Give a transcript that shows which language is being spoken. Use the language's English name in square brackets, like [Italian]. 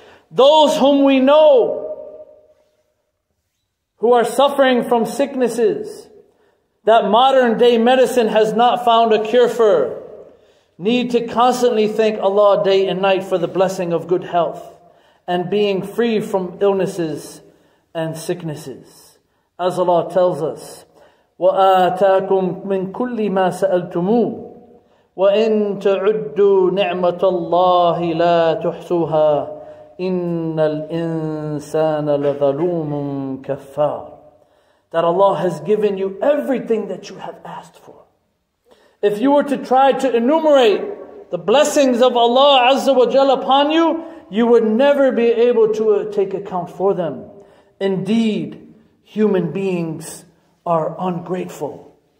[English] Those whom we know who are suffering from sicknesses that modern day medicine has not found a cure for need to constantly thank Allah day and night for the blessing of good health and being free from illnesses and sicknesses. As Allah tells us, [Arabic] وَآتَاكُمْ مِنْ كُلِّ مَا سَأَلْتُمُوهُ وَإِنْ تَعُدُّوا نِعْمَةَ اللَّهِ لَا تُحْصُوهَا إِنَّ الْإِنسَانَ لَظَلُومٌ كَفَّارٌ. [English] That Allah has given you everything that you have asked for. If you were to try to enumerate the blessings of Allah Azza wa Jalla upon you, you would never be able to take account for them. Indeed, human beings are ungrateful.